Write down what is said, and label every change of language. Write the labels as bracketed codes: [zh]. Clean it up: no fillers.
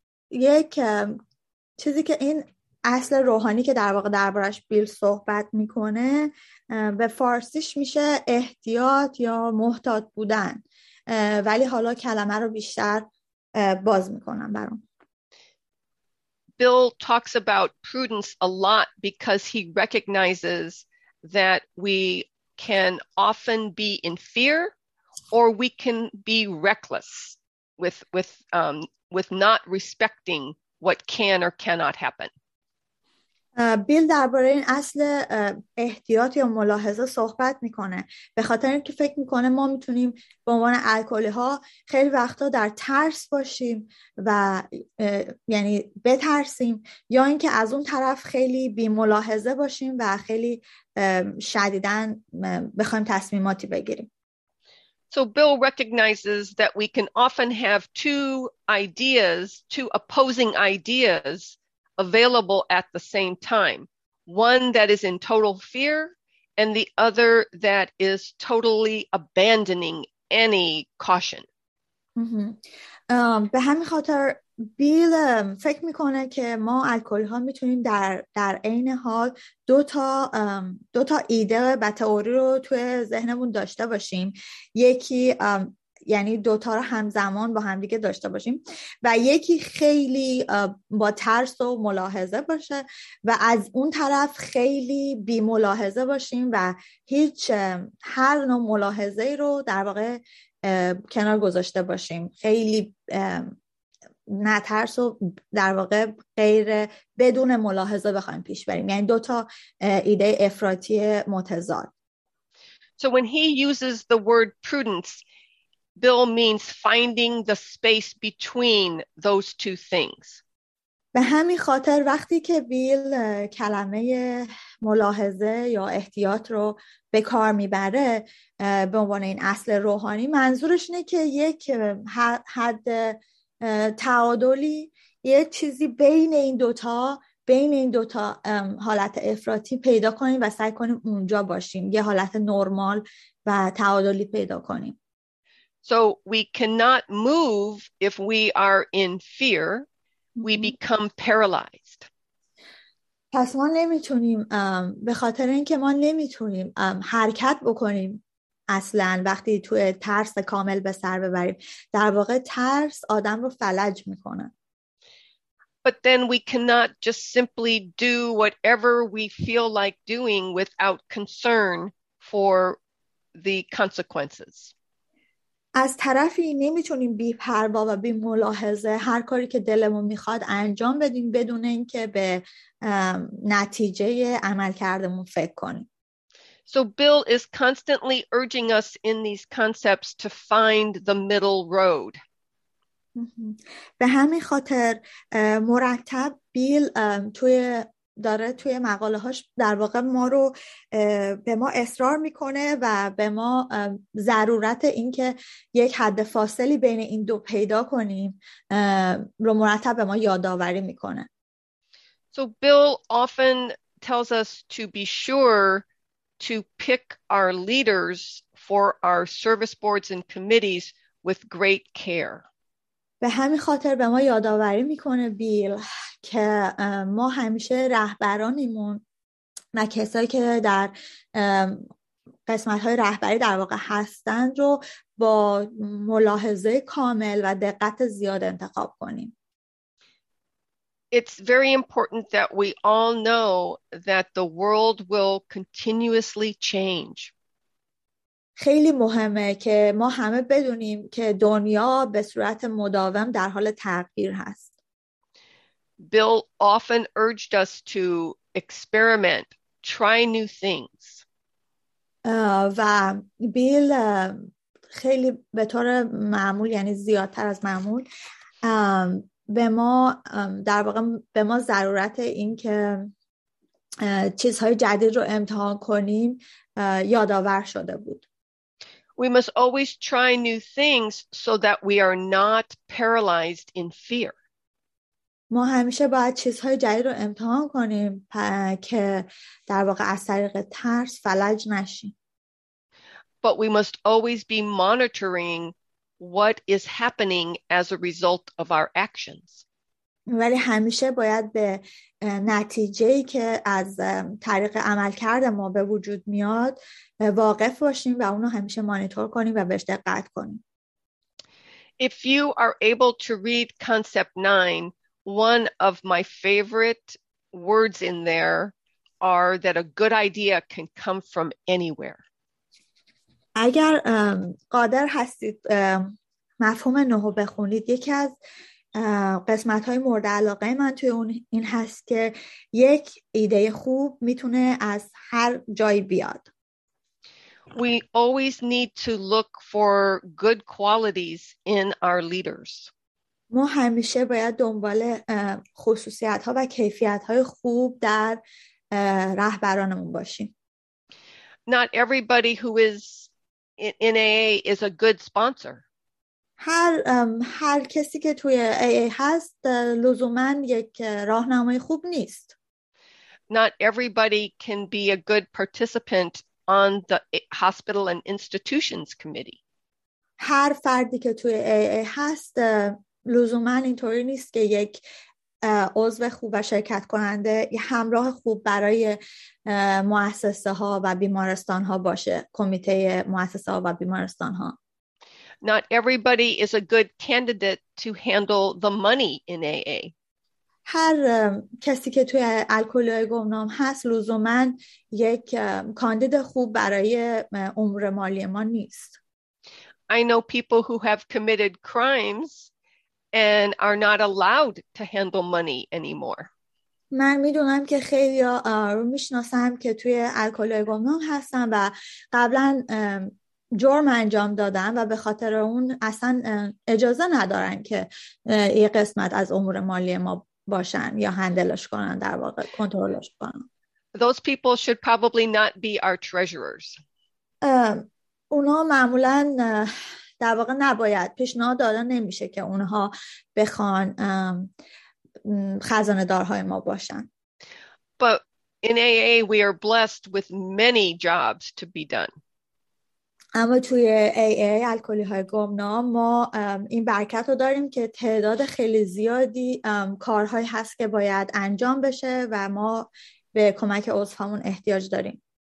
[fa] یک چیزی که این اصل روحانی که در واقع دربارش بیل صحبت میکنه به فارسیش میشه احتیاط یا محتاط بودن ولی حالا کلمه رو بیشتر باز میکنم برام. [en] Bill talks about prudence a lot because he recognizes that we can often be in fear or we can be reckless with not respecting what can or cannot happen. [fa] بیل درباره این اصل احتیاط یا ملاحظه صحبت میکنه به خاطر اینکه فکر میکنه ما میتونیم به عنوان الکلی ها خیلی وقتا در ترس باشیم و یعنی بترسیم یا اینکه از اون طرف خیلی بی ملاحظه باشیم و خیلی شدیداً بخوایم تصمیماتی بگیریم. [en] So Bill recognizes that we can often have two opposing ideas available at the same time. One that is in total fear and the other that is totally abandoning any caution. [fa] به همین خاطر بیل فکر میکنه که ما الکلی ها میتونیم در این حال دو تا ایده و تئوری رو توی ذهنمون داشته باشیم، یکی یعنی دو تا رو همزمان با هم دیگه داشته باشیم و یکی خیلی با ترس و ملاحظه باشه و از اون طرف خیلی بی ملاحظه باشیم و هیچ هر نوع ملاحظه رو در واقع کنار گذاشته باشیم، خیلی نترس و در واقع غیر بدون ملاحظه بخوایم پیش بریم، یعنی دو تا ایده افراطی متضاد. [en] So when he uses the word prudence, Bill means finding the space between those two things. [fa] به همین خاطر وقتی که بیل کلمه ملاحظه یا احتیاط رو به کار میبره به عنوان این اصل روحانی، منظورش اینه که یک حد تعادلی، یه چیزی بین این دوتا حالت افراطی پیدا کنیم و سعی کنیم اونجا باشیم، یه حالت نرمال و تعادلی پیدا کنیم. [en] So we cannot move if we are in fear. We become paralyzed. [fa] پس ما نمیتونیم به خاطر اینکه ما نمیتونیم حرکت بکنیم اصلا وقتی توی ترس کامل به سر ببریم، در واقع ترس آدم رو فلج میکنه. [en] But then we cannot just simply do whatever we feel like doing without concern for the consequences. [fa] از طرفی نمیتونیم بی پروا و بی ملاحظه هر کاری که دلمون میخواد انجام بدیم بدون اینکه به نتیجه عمل کردمون فکر کنیم. [en] So Bill is constantly urging us in these concepts to find the middle road. [fa] به همین خاطر مرتب بیل داره توی مقاله هاش در واقع ما رو به ما اصرار میکنه و به ما ضرورت این که یک حد فاصلی بین این دو پیدا کنیم رو مرتب به ما یادآوری میکنه. [en] So Bill often tells us to be sure to pick our leaders for our service boards and committees with great care. [fa] به همین خاطر به ما یادآوری میکنه بیل که ما همیشه رهبرانمون و کسایی که در قسمت های رهبری در واقع هستند رو با ملاحظه کامل و دقت زیاد انتخاب کنیم. [en] It's very important that we all know that the world will continuously change. [fa] خیلی مهمه که ما همه بدونیم که دنیا به صورت مداوم در حال تغییر هست. [en] Bill often urged us to experiment, try new things. [fa] و بیل خیلی به طور معمول یعنی زیادتر از معمول به ما در واقع به ما ضرورت این که چیزهای جدید رو امتحان کنیم یادآور شده بود. [en] We must always try new things so that we are not paralyzed in fear. [fa] ما همیشه باید چیزهای جدید رو امتحان کنیم که در واقع از طریق ترس فلج نشیم. [en] But we must always be monitoring what is happening as a result of our actions. [fa] ولی همیشه باید به نتیجه‌ای که از طریق عملکرد ما به وجود میاد واقف باشیم و اونو همیشه مانیتور کنیم و بهش دقت کنیم. [en] If you are able to read concept 9, one of my favorite words in there are that a good idea can come from anywhere. [fa] اگر قادر هستید مفهوم نهو بخونید، یکی از قسمت‌های مورد علاقه من توی اون این هست که یک ایده خوب میتونه از هر جایی بیاد. [en] We always need to look for good qualities in our leaders. [fa] ما همیشه باید دنبال خصوصیت‌ها و کیفیت‌های خوب در رهبرانمون باشیم. [en] Not everybody who is in AA is a good sponsor. [fa] هر کسی که توی AA هست لزوماً یک راهنمای خوب نیست. [en] Not everybody can be a good participant on the hospital and institutions committee. [fa] هر فردی که توی AA هست لزوماً اینطوری نیست که یک عضو خوب و شرکت کننده یا همراه خوب برای مؤسسه ها و بیمارستان ها باشه، کمیته مؤسسه ها و بیمارستان ها. [en] Not everybody is a good candidate to handle the money in AA. [fa] هر کسی که توی الکلی گمنام هست لزوماً یک کاندید خوب برای امور مالی ما نیست. [en] I know people who have committed crimes and are not allowed to handle money anymore. [fa] من میدونم که خیلی رو میشناسم که توی الکلی گمنام هستن و قبلاً جرم انجام دادن و به خاطر اون اصلا اجازه ندارن که یه قسمت از امور مالی ما باشن یا هندلش کنن، در واقع کنترلش کنن. [en] Those people should probably not be our treasurers. [fa] اونا معمولا در واقع نباید، پیشنهاد داده نمیشه که اونها بخوان خزانه دارهای ما باشن. [en] But in AA we are blessed with many jobs to be done. [fa] اما توی AA الکلی های گمنام ما این برکت رو داریم که تعداد خیلی زیادی کارهایی هست که باید انجام بشه و ما به کمک عضوهامون احتیاج داریم.